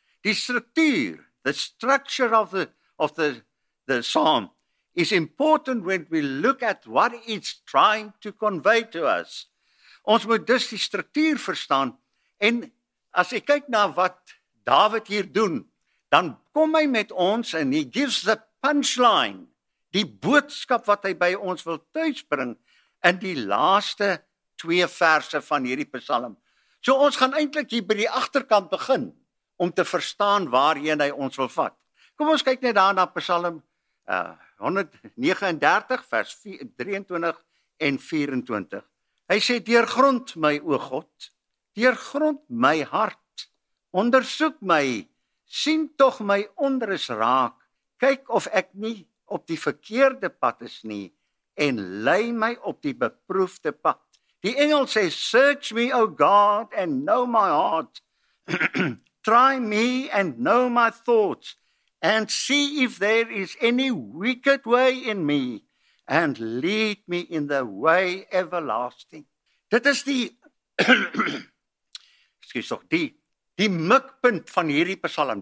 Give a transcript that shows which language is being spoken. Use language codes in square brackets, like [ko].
[af] Die struktuur, [en] the structure of the psalm is important when we look at what it's trying to convey to us. [af] Ons moet dus die struktuur verstaan en as jy kyk na wat Dawid hier doen, dan kom hy met ons en [en] he gives the punchline. [af] Die boodskap wat hy by ons wil tuisbring in die laaste 2 verse van hierdie psalm. So ons gaan eintlik hier by die agterkant begin om te verstaan waarheen hy ons wil vat. Kom ons kyk net daarna Psalm 139 vers 23 en 24. Hy sê, Deurgrond my, o God, deurgrond my hart, ondersoek my, sien tog my onrus raak, kyk of ek nie op die verkeerde pad is nie en lei my op die beproefde pad. Die engel sê, [en] search me, O God, and know my heart. Try me and know my thoughts and see if there is any wicked way in me and lead me in the way everlasting. [af] Dit is die die mikpunt van hierdie psalm.